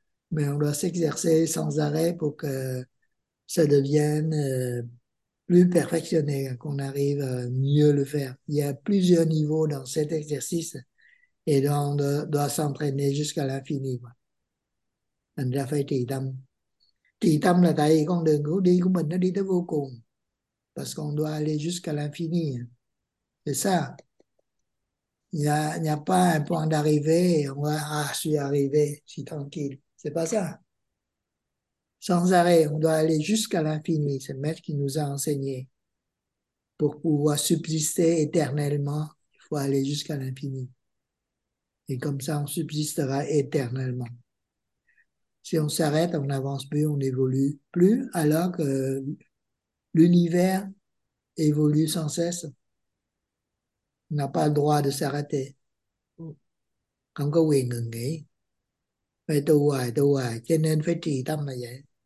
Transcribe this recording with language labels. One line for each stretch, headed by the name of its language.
French: Mais on doit s'exercer sans arrêt pour que ça devienne plus perfectionné, qu'on arrive à mieux le faire. Il y a plusieurs niveaux dans cet exercice et on doit s'entraîner jusqu'à l'infini.
Vietnamese: Thành ra phải trì tâm. Trì tâm là tại vì con đường của đi của mình nó đi tới vô cùng.
French: Parce qu'on doit aller jusqu'à l'infini. C'est ça. Il n'y a pas un point d'arrivée. On va, ah, je suis arrivé, je suis tranquille. C'est pas ça. Sans arrêt, on doit aller jusqu'à l'infini. C'est le maître qui nous a enseigné. Pour pouvoir subsister éternellement, il faut aller jusqu'à l'infini. Et comme ça, on subsistera éternellement. Si on s'arrête, on n'avance plus, on n'évolue plus, alors que l'univers évolue sans cesse. On n'a pas le droit de s'arrêter.
Vietnamese: Không có quyền ngừng nghỉ. Phải tu hoài, cho nên phải trì tâm là vậy.